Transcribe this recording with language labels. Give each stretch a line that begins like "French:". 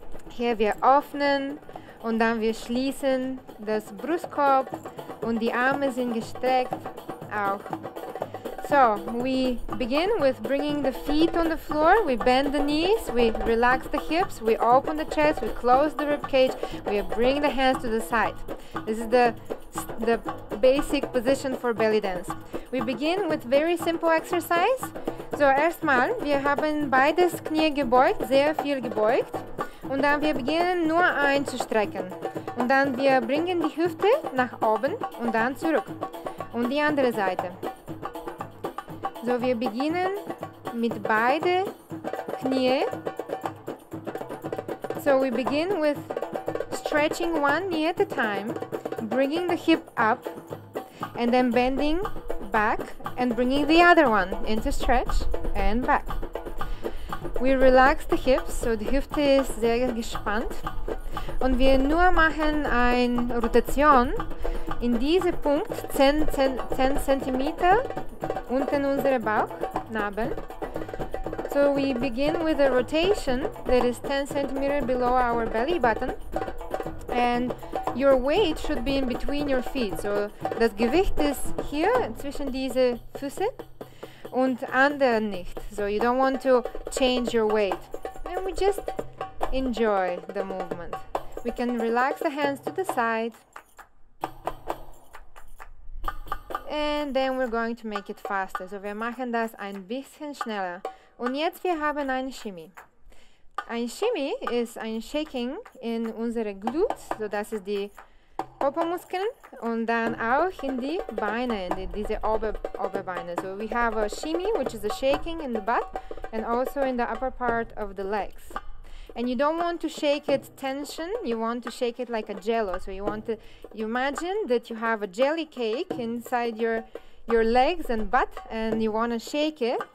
German: Hier wir öffnen und dann wir schließen das Brustkorb und die Arme sind gestreckt auch.
English: So, we begin with bringing the feet on the floor. We bend the knees, we relax the hips, we open the chest, we close the rib cage, we bring the hands to the side. This is the basic position for belly dance. We begin with very simple exercise.
German: So, erstmal, wir haben beides Knie gebeugt, sehr viel gebeugt. Und dann wir beginnen nur einzustrecken. Und dann wir bringen die Hüfte nach oben und dann zurück. Und die andere Seite. So, wir beginnen mit beide Knie.
English: So, we begin with stretching one knee at a time, bringing the hip up and then bending back and bringing the other one into stretch and back. We relax the hips,
German: so die Hüfte ist sehr gespannt. Und wir nur machen eine Rotation in diesem Punkt, 10 cm unter unserem Bauchnabel.
English: So we begin with a rotation that is 10 cm below our belly button. And your weight should be in between your feet.
German: So das Gewicht ist hier zwischen diese Füße und anderen nicht.
English: So you don't want to change your weight. And we just enjoy the movement. We can relax the hands to the side. And then we're going to make it faster.
German: So wir machen das ein bisschen schneller. Und jetzt wir haben ein Shimmy. Ein Shimmy ist ein Shaking in unsere Glutes, so das ist die Popomuskeln und dann auch in die Beine, in die, diese Oberbeine.
English: So we have a Shimmy, which is a shaking in the butt and also in the upper part of the legs. And you don't want to shake it tension, you want to shake it like a jello. So you want to, you imagine that you have a jelly cake inside your legs and butt and you want to shake it.